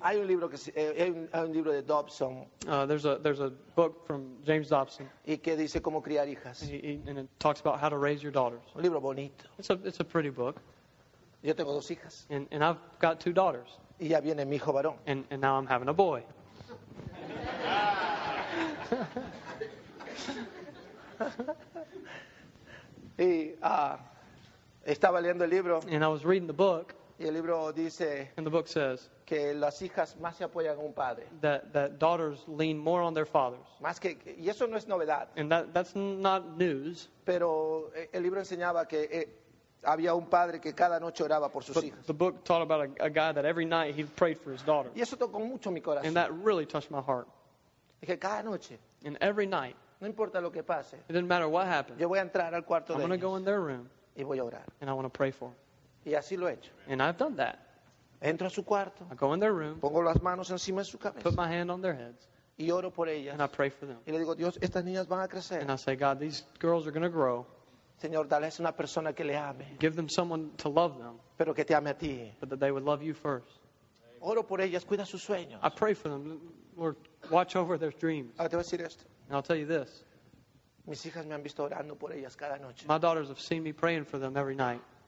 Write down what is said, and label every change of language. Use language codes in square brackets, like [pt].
[es] Hay un libro que hay un libro de Dobson. [en] There's a book from James Dobson. [es] Y que dice cómo criar hijas. [en] And it talks about how to raise your daughters. [es] Un libro bonito. [en] It's a pretty book. [es] Yo tengo dos hijas. [en] And I've got two daughters. [es] Y ya viene mi hijo varón. [en] And now I'm having a boy. [es] Y estaba leyendo el libro. [en] And I was reading the book. [es] Y el libro dice. [en] And the book says. [es] Que las hijas más se apoyan a un padre. [en] That daughters lean more on their fathers. [es] Más que y eso no es novedad. [en] And that's not news. [es] Pero el libro enseñaba que había un padre que cada noche oraba por sus [en] but [es] hijas. [en] The book taught about a guy that every night he prayed for his daughter. [es] Y eso tocó mucho mi corazón. [en] And that really touched my heart. [es] Dije cada noche. [en] And every night. [es] No importa lo que pase. [en] It didn't matter what happened. [es] Yo voy a entrar al cuarto [en] I'm [es] de ellos. [en] I'm going to go in their room. [es] Y voy a orar. [en] And I want to pray for them. [es] Y así lo he hecho. [en] And I've done that. [es] Entro a su cuarto. [en] I go in their room. [es] Pongo las manos encima de su cabeza. [en] Put my hand on their heads. [es] Y oro por ellas. [en] And I pray for them. [es] Y le digo, Dios, estas niñas van a crecer. [en] And I say, God, these girls are going to grow. [es] Señor, dales una persona que le ame. [en] Give them someone to love them. [es] Pero que te ame a ti. [en] But that they would love you first. [es] Oro por ellas, cuida sus sueños. [en] I pray for them. Lord, watch over their dreams. [es] Ahora te voy a decir esto. [en] And I'll tell you this. [es] Mis hijas me han visto orando por ellas cada noche. [en] My daughters have seen me praying for them every night.